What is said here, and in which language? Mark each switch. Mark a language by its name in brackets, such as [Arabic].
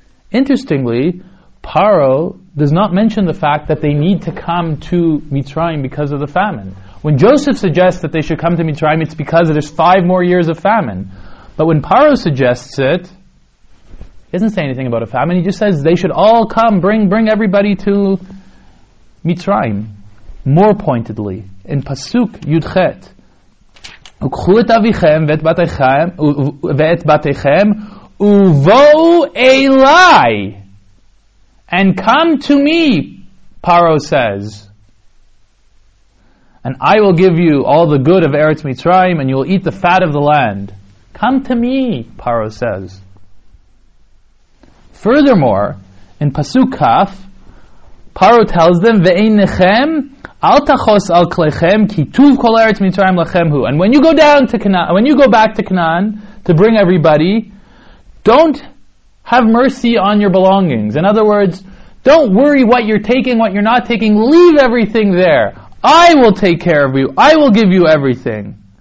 [English] Interestingly, Paro does not mention the fact that they need to come to Mitzrayim because of the famine. When Joseph suggests that they should come to Mitzrayim, it's because there's 5 more years of famine. But when Paro suggests it, he doesn't say anything about a famine. He just says they should all come, bring everybody to Mitzrayim. More pointedly, in Pasuk Yudchet, [Hebrew] וקחו את אביכם ואת בתיכם ובואו אליי [English] and come to me, Paro says. And I will give you all the good of Eretz Mitzrayim and you will eat the fat of the land. Come to me, Paro says. Furthermore, in Pasuk Kaf, Paro tells them, [Hebrew] ve'einichem, אל תחוס על כלכם, כי טוב כל ארץ מצרים לכם הוא. [English] And when you go down to Canaan, when you go back to Canaan to bring everybody, don't have mercy on your belongings. In other words, don't worry what you're taking, what you're not taking. Leave everything there. I will take care of you. I will give you everything.